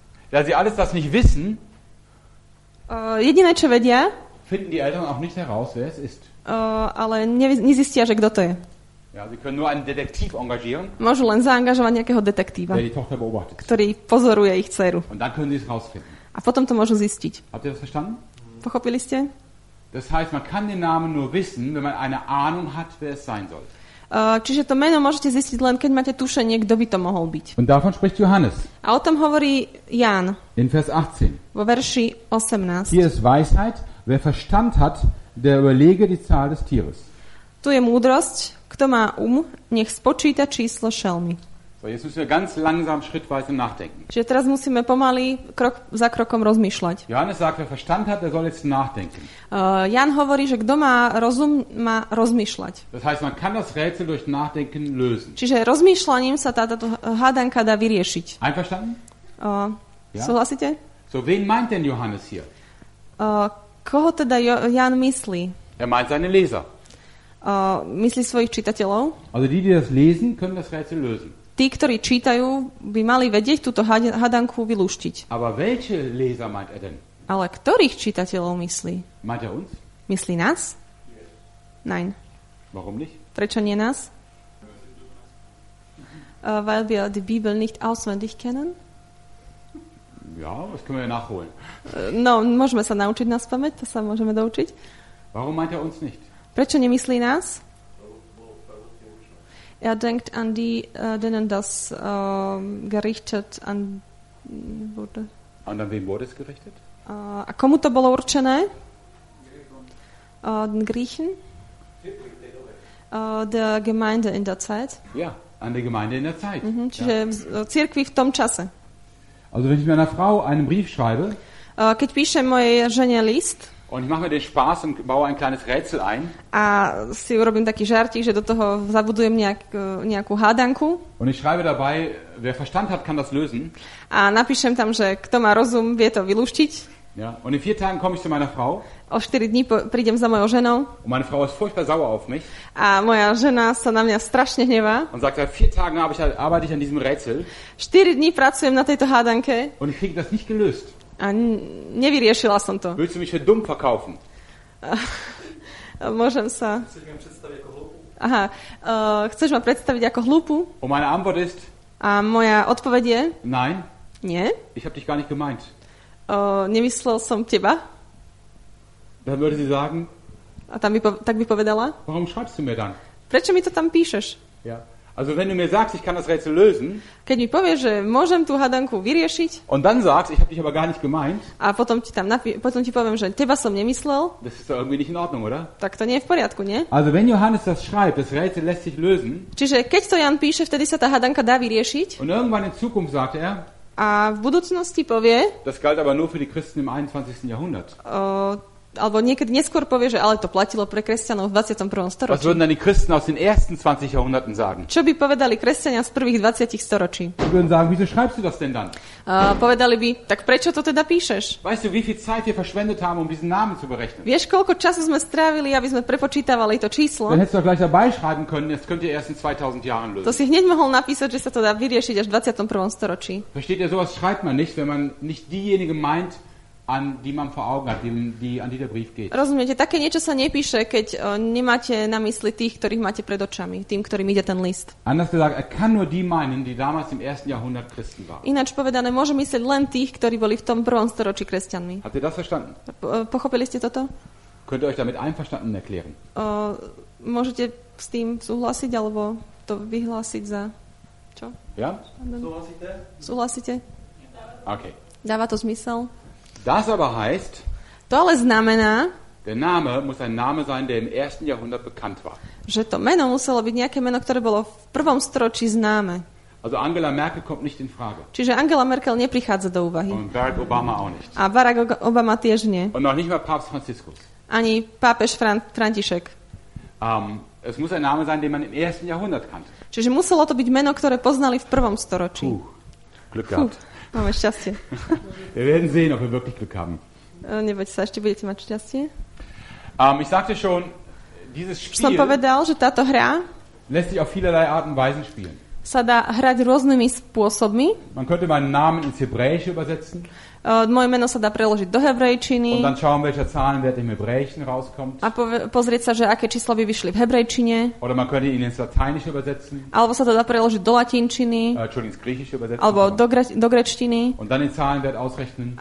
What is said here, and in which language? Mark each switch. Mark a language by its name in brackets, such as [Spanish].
[German] Da sie alles das nicht wissen, [Slovak] jediné, čo vedia, [German] finden die Eltern auch nicht heraus, wer es ist. [Slovak] Ale nezistia, že kto to je. [German] Ja, sie können nur einen Detektiv engagieren. [Slovak] Môžu len zaangažovať nejakého detektíva, [German] der die Tochter beobachtet. [Slovak] Ktorý pozoruje ich dceru. [German] Und dann können sie es rausfinden. [Slovak] A potom to môžu zistiť. [German] Habt ihr das verstanden? [Slovak] Pochopili ste? [German] Das heißt, man kann den Namen nur wissen, wenn man eine Ahnung hat, wer es sein soll. [Slovak] Čiže to meno môžete zistiť len, keď máte tušenie, kto by to mohol byť. [German] Und davon spricht Johannes. [Slovak] A o tom hovorí Ján. [German] In Vers 18. [Slovak] Vo verši 18. [German] Hier ist Weisheit, wer Verstand hat, der überlege die Zahl des Tieres. [Slovak] Tu je múdrosť, kto má nech spočíta číslo šelmy. [German] So, jetzt müssen wir ganz langsam schrittweise nachdenken. [Slovak] Čiže teraz musíme pomaly krok za krokom rozmýšľať. [German] Johannes sagt, wer Verstand hat, der soll jetzt nachdenken. [Slovak] Jan hovorí, že kto má rozum, má rozmýšľať. [German] Das heißt, man kann das Rätsel durch Nachdenken lösen. [Slovak] Čiže rozmýšľaním sa táto hádanka dá vyriešiť. [German] Einverstanden? [Slovak] Ja. Súhlasíte? [German] So, wen meint denn Johannes hier? [Slovak] Koho teda Jan myslí? [German] Er meint seine Leser. [Slovak] Myslí svojich čitateľov? [German] Also die das lesen, können das Rätsel lösen. [Slovak] Tí, ktorí čítajú, by mali vedieť túto hadanku vylúštiť. [German] Aber welche Leser meint er denn? [Slovak] Ale ktorých čitateľov myslí? [German] Meint er uns? [Slovak] Myslí nás? [German] Nein. Warum nicht? [Slovak] Prečo nie nás? [German] Weil wir die Bibel nicht auswendig kennen. Ja, das können wir nachholen. [Slovak] No, môžeme sa naučiť na spameť, to sa môžeme doučiť. [German] Warum meint er uns nicht? [Slovak] Prečo nemyslí nás? [German] Er denkt an die, denen das gerichtet an wurde. Und an wen wurde es gerichtet? [Slovak] A komu to bolo určené? [German] Den Griechen? Der Gemeinde in der Zeit? Ja, an der Gemeinde in der Zeit. [Slovak] Mhm, čiže ja. Cirkvi v tom čase. [German] Also wenn ich mir einer Frau einen Brief schreibe, [Slovak] keď píšem mojej žene list, [German] und ich mache mir den Spaß und baue ein kleines Rätsel ein, [Slovak] a si urobím taký žartík, že do toho zabudujem nejakú hádanku, [German] und ich schreibe dabei, wer Verstand hat, kann das lösen, [Slovak] a napíšem tam, že kto má rozum, vie to vylúštiť, [German] ja, und in 4 Tagen komme ich zu meiner Frau, [Slovak] o 4 dní prídem za mojou ženou, [German] und meine Frau ist furchtbar sauer auf mich, [Slovak] a moja žena sa na mňa strašne hnevá, [German] und sagt, seit 4 Tagen arbeite ich an diesem Rätsel, [Slovak] 4 dní pracujem na tejto hádanke, [German] und ich kriege das nicht gelöst. [Slovak] A nevyriešila som to. [German] Willst du mich für dumm verkaufen? [Slovak] Môžem sa. Aha, chceš ma predstaviť ako hlúpu? [German] Und meine Antwort ist? [Slovak] A moja odpoveď je? [German] Nein. [Slovak] Nie. [German] Ich hab dich gar nicht gemeint. [Slovak] Nemyslel som teba. [German] Dann würde sie sagen? [Slovak] A tam by tak by povedala? [German] Warum schreibst du mir dann? [Slovak] Prečo mi to tam píšeš? [German] Ja. Also wenn du mir sagst, ich kann das Rätsel lösen. [Slovak] Keď mi povieš, že môžem tú hadanku vyriešiť. [German] Und dann sagst, ich habe dich aber gar nicht gemeint. [Slovak] A potom ti poviem, že teba som nemyslel. [German] Das ist doch irgendwie nicht in Ordnung, oder? [Slovak] Tak to nie je v poriadku, nie? [German] Also wenn Johannes das schreibt, das Rätsel lässt sich lösen. [Slovak] Čiže keď to Jan píše, vtedy sa tá hadanka dá vyriešiť. [German] Und irgendwann in Zukunft sagt er. [Slovak] A v budúcnosti povie. [German] Das galt aber nur für die Christen im 21. Jahrhundert. [Slovak] Alebo niekedy neskôr povie, že ale to platilo pre kresťanov v 21. storočí. [German] Was würden dann die Christen aus den ersten 20 Jahrhunderten sagen? [Slovak] Čo by povedali kresťania z prvých 20. storočí? [German] Sie würden sagen, wieso schreibst du das denn dann? [Slovak] Povedali by, tak prečo to teda píšeš? [German] Weißt du, wie viel Zeit wir verschwendet haben, um diesen Namen zu berechnen? [Slovak] Vieš, koľko času sme strávili, aby sme prepočítavali to číslo? [German] Dann hättest du gleich dabei schreiben können, das könnt ihr erst in 2000 Jahren lösen. [Slovak] To si hneď mohol napísať, že sa to dá vyriešiť až v 21. storočí. [German] Versteht ihr, sowas schreibt man nicht, wenn man nicht diejenigen meint, an die man vor Augen hat, an die der Brief geht. [Slovak] Rozumiete, také niečo sa nepíše, keď nemáte na mysli tých, ktorých máte pred očami, tým, ktorým ide ten list. [German] Anders gesagt, er kann nur die meinen, die damals im ersten Jahrhundert Christen waren. [Slovak] Ináč povedané, môže mysleť len tých, ktorí boli v tom prvom storočí kresťanmi. [German] Habt ihr das verstanden? [Slovak] Pochopili ste toto? [German] Könnt ihr euch damit einverstanden erklären? [Slovak] Môžete s tým súhlasiť, alebo to vyhlásiť za... Čo? [German] Ja? [Slovak] Súhlasíte? Okay. Dáva to zmysel? [German] Das aber heißt, [Slovak] to ale znamená, [German] der Name muss ein Name sein, der im ersten Jahrhundert bekannt war. [Slovak] Že to meno muselo byť nejaké meno, ktoré bolo v prvom storočí známe. [German] Also Angela Merkel kommt nicht in Frage. [Slovak] Čiže Angela Merkel neprichádza do úvahy. [German] Und Barack Obama auch nicht. [Slovak] A Barack Obama tiež nie. [German] Und noch nicht mal Papst Franziskus. [Slovak] Ani pápež František. [German] Es muss ein Name sein, den man im ersten Jahrhundert kannte. [Slovak] Čiže muselo to byť meno, ktoré poznali v prvom storočí. [German] Glück gehabt. [Slovak] Máme šťastie. [German] Wir werden sehen, ob wir wirklich Glück haben. [Slovak] Neboť sa, ešte budete mať šťastie. [German] Ich sagte schon, dieses Spiel. [Slovak] Som povedal, že táto hra [German] lässt sich auf vielerlei Arten und Weisen spielen. [Slovak] Sa dá hrať rôznymi spôsobmi. [German] Man könnte meinen Namen ins Hebräische übersetzen. [Slovak] Moje meno sa dá preložiť do hebrejčiny. [German] Und dann schauen, welcher Zahlenwert im Hebräischen rauskommt. [Slovak] A pozrieť sa, že aké číslo by vyšli v hebrejčine. [German] Oder man könnte ihn ins Lateinische übersetzen. [Slovak] Alebo sa to dá preložiť do latinčiny. [German] Ins Griechische übersetzen. [Slovak] Alebo do gréčtiny. [German] Und dann den Zahlenwert ausrechnen.